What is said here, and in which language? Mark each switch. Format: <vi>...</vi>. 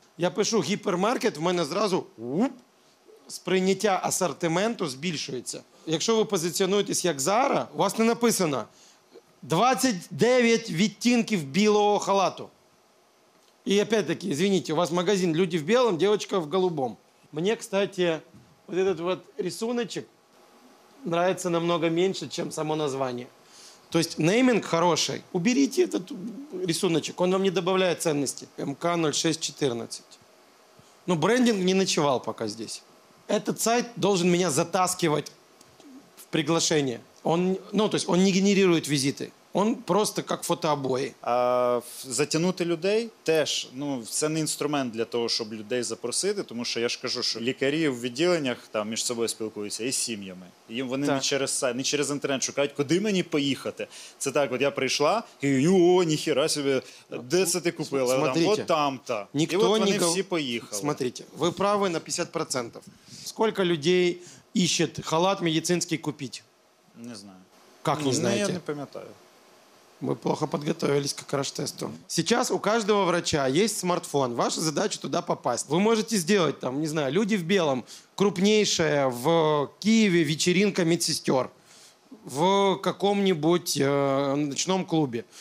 <uk>Я пишу гіпермаркет, в мене зразу сприйняття асортименту збільшується. Якщо ви позиціонуєтесь як Zara, у вас не написано 29 відтінків білого халату.</uk> <ru>І опять-таки, извините, у вас магазин «Люди в білому, дівчинка в голубому».</ru> <uk>Мені,</uk> <ru>кстати, вот этот вот рисуночек нравится намного меньше, чем само название. То есть нейминг хороший. Уберите этот рисуночек, он вам не добавляет ценности. МК-0614. Но брендинг не ночевал пока здесь. Этот сайт должен меня затаскивать в приглашение. Он, ну, то есть он не генерирует визиты. Он просто как фотообои.</ru> <uk>А затянути людей теж, ну, це не інструмент для того, щоб людей запросити, тому що я ж кажу, що лікарі в відділеннях там між собою спілкуються і з сім'ями. І їм вони так. не через інтернет шукають, куди мені поїхати. Це так, от я прийшла, і о, ніхіра собі, де це ти купила?</uk> <ru>Смотрите, там, от там-то.</ru> <uk>Ніхто, і от вони ніхто... всі поїхали.</uk> <ru>Смотрите,</ru> <uk>ви праві на 50%. Скільки людей іщуть халат медицинський купити? Не знаю. Як не знаєте? Я не пам'ятаю.</uk> <ru>Мы плохо подготовились к краш-тесту. Сейчас у каждого врача есть смартфон. Ваша задача туда попасть. Вы можете сделать там, не знаю, «Люди в белом». Крупнейшая в Киеве вечеринка медсестер. В каком-нибудь ночном клубе.</ru>